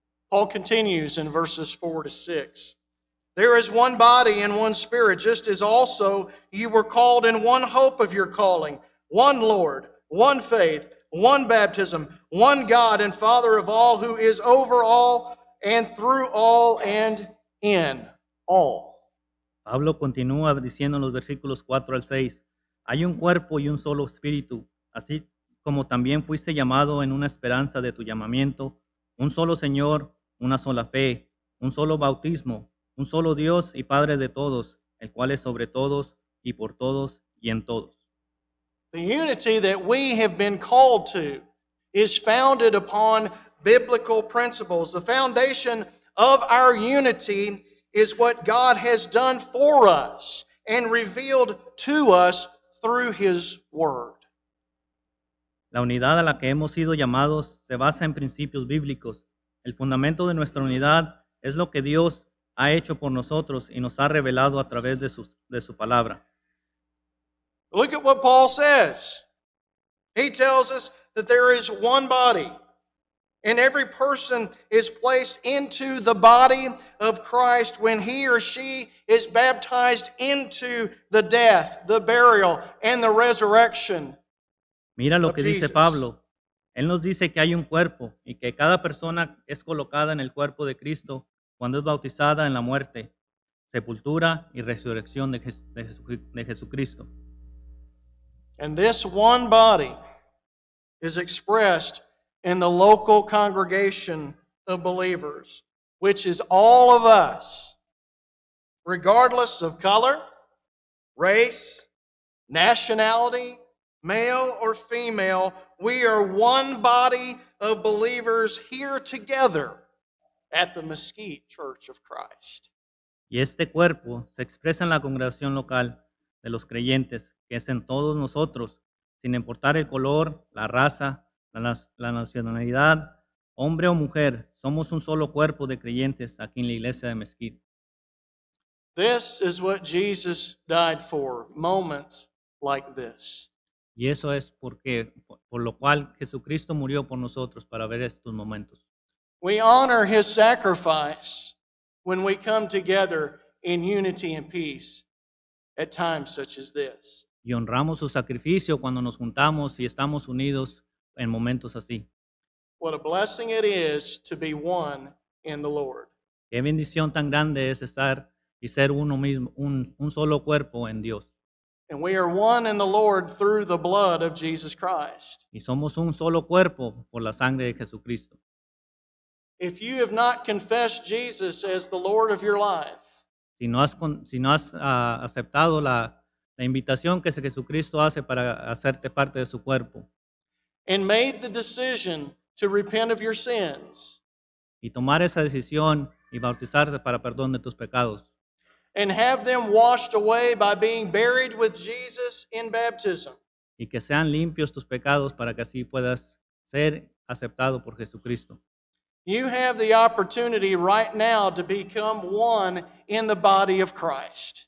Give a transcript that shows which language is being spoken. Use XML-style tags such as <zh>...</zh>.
<en>Paul continues in verses 4 to 6. There is one body and one spirit, just as also you were called in one hope of your calling, one Lord, one faith, one baptism, one God and Father of all, who is over all and through all and in all.</en> <es>Pablo continúa diciendo en los versículos 4 al 6. Hay un cuerpo y un solo espíritu, así como también fuiste llamado en una esperanza de tu llamamiento, un solo Señor, una sola fe, un solo bautismo, un solo Dios y Padre de todos, el cual es sobre todos y por todos y en todos.</es> <en>The unity that we have been called to is founded upon biblical principles. The foundation of our unity is what God has done for us and revealed to us through His Word.</en> <es>La unidad a la que hemos sido llamados se basa en principios bíblicos. El fundamento de nuestra unidad es lo que Dios ha hecho por nosotros y nos ha revelado a través de su palabra.</es> <en>Look at what Paul says. He tells us that there is one body, and every person is placed into the body of Christ when he or she is baptized into the death, the burial, and the resurrection.</en> <es>Mira lo que dice Pablo. Él nos dice que hay un cuerpo y que cada persona es colocada en el cuerpo de Cristo cuando es bautizada en la muerte, sepultura y resurrección de Jesucristo.</es> <en>And this one body is expressed in the local congregation of believers, which is all of us, regardless of color, race, nationality, male or female. We are one body of believers here together at the Mesquite Church of Christ.</en> <es>Y este cuerpo se expresa en la congregación local de los creyentes, que es en todos nosotros, sin importar el color, la raza, la nacionalidad, hombre o mujer, somos un solo cuerpo de creyentes aquí en la iglesia de Mesquite.</es> <en>This is what Jesus died for, moments like this.</en> <es>Y eso es por lo cual Jesucristo murió por nosotros, para ver estos momentos.</es> <en>We honor His sacrifice when we come together in unity and peace at times such as this.</en> <es>Y honramos su sacrificio cuando nos juntamos y estamos unidos en momentos así.</es> <en>What a blessing it is to be one in the Lord.</en> <es>Qué bendición tan grande es estar y ser uno mismo, un solo cuerpo en Dios.</es> <en>And we are one in the Lord through the blood of Jesus Christ.</en> <es>Y somos un solo cuerpo por la sangre de Jesucristo.</es> <en>If you have not confessed Jesus as the Lord of your life,</en> <es>si no has aceptado la invitación que Jesucristo hace para hacerte parte de su cuerpo,</es> <en>and made the decision to repent of your sins,</en> <es>y tomar esa decisión y bautizarte para perdón de tus pecados,</es> <en>and have them washed away by being buried with Jesus in baptism,</en> <es>y que sean limpios tus pecados para que así puedas ser aceptado por Jesucristo,</es> <en>you have the opportunity right now to become one in the body of Christ.</en>